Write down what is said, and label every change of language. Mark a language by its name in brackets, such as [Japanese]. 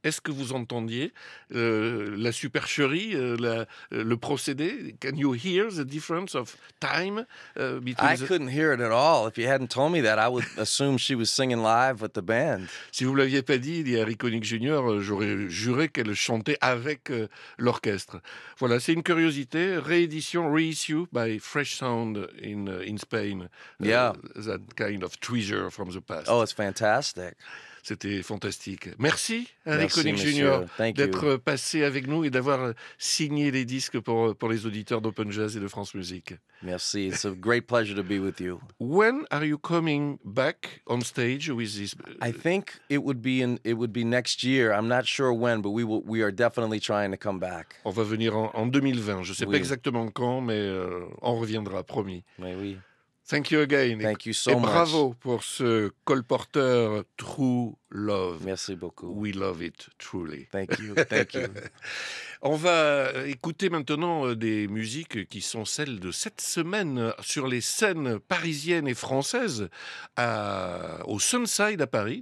[French] Est-ce que vous entendiez la supercherie, le procédé? [English] Can you hear the difference of time? I couldn't hear it at all. If you hadn't told me that, I would assume she was singing live with the band. [French] Si vous ne l'aviez pas dit, dit Harry Connick Jr., j'aurais juré qu'elle chantait avec l'orchestre. Voilà, c'est une curiosité. Réédition, [English] reissue by Fresh Sound in Spain. Yeah. That kind of treasure from the past. Oh, it's fantastic. [French] C'était fantastique. Merci, Harry Connick Jr., d'être passé avec nous et d'avoir signé les disques pour les auditeurs d'Open Jazz et de France Musique. [English] Merci, it's a great pleasure to be with you. When are you coming back on stage with this? I think it would be next year. I'm not sure when, but we are definitely trying to come back. [French] On va venir en 2020. Je ne sais pas exactement quand, mais on reviendra, promis. Mais oui. [English] Thank you again. Thank you so [French] much. Et bravo pour ce colporteur True Love. Merci beaucoup. [English] We love it truly. Thank you. Thank you. [French] On va écouter maintenant des musiques qui sont celles de cette semaine sur les scènes parisiennes et françaises au Sunside à Paris.